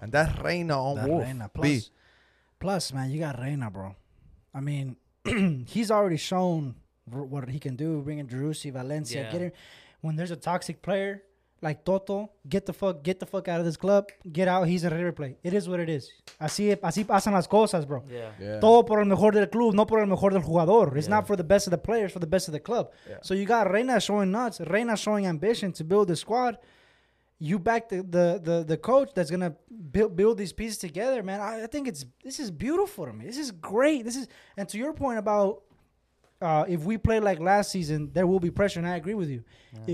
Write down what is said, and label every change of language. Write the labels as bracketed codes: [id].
[en] And that's Reyna on that Wolf. Reyna. Plus, man, you got Reyna, bro. I mean, he's already shown what he can do, bringing Jerusi, Valencia. Yeah. When there's a toxic player like Toto, get the fuck out of this club. Get out. He's a River Plate. It is what it is. [es] Así pasan las cosas, bro. [en] Yeah. Yeah. [es] Todo por el mejor del club, no por el mejor del jugador. [en] It's not for the best of the players, for the best of the club. Yeah. So you got Reyna showing nuts, Reyna showing ambition to build the squad. You back the coach that's going to build these pieces together, man. I think this is beautiful to me. This is great. And to your point about if we play like last season, there will be pressure, and I agree with you. Yeah.